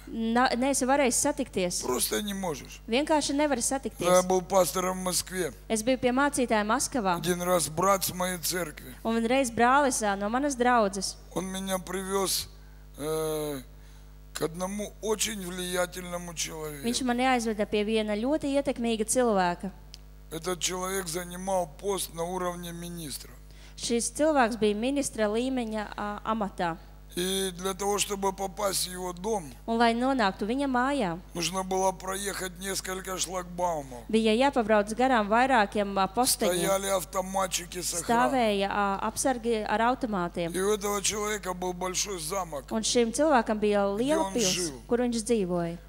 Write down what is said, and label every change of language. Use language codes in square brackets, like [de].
[lv] Neesi varējis satikties. [ru] Просто не можешь. [lv] Vienkārši nevari satikties. [ru] Я был пастором в Москве. [lv] Es biju pie mācītāja Maskavā. [ru] Один раз брат с моей церкви. [lv] Un vienreiz brālis no manas draudzes. [ru] Он меня привез к одному очень влиятельному человеку. [lv] Viņš mani aizveda pie viena ļoti ietekmīga cilvēka. [ru] Этот человек занимал пост на уровне министра. [lv] Šis cilvēks bija ministra līmeņa amatā. [ru] И для того, чтобы попасть в его дом, [lv] un, lai nonāktu viņa mājā, [ru] нужно было проехать несколько шлагбаумов. [lv] Bija jāpabrauc garām vairākiem posteņiem. [ru] Стояли автоматчики с охраной. [lv] Stāvēja apsargi ar automātiem. [ru] И у этого человека был большой замок. [lv] Un šim cilvēkam bija liela pils, kur viņš dzīvoja.